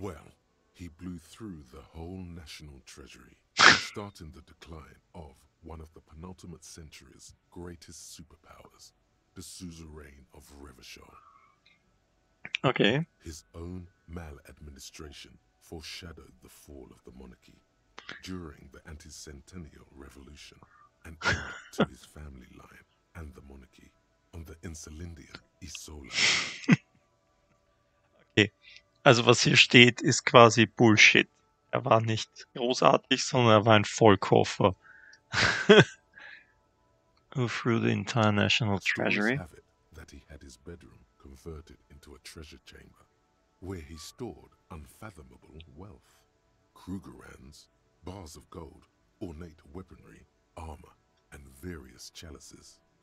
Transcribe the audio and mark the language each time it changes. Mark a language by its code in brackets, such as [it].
[en] Well, he blew through the whole national treasury, starting the decline of one of the penultimate century's greatest superpowers, the suzerain of Rivershaw. Okay. His own maladministration foreshadowed the fall of the monarchy during the anti-centennial revolution and ended to his family line and the monarchy. The Insulindian Isola. [de] Okay, also was hier steht, ist quasi Bullshit. Er war nicht großartig, sondern er war ein Vollkoffer. [en] Through the entire national treasury. Stories have it that he had his bedroom converted into a treasure chamber, where he stored unfathomable wealth. Krugerrands, bars of gold, ornate weaponry, armor, and various chalices.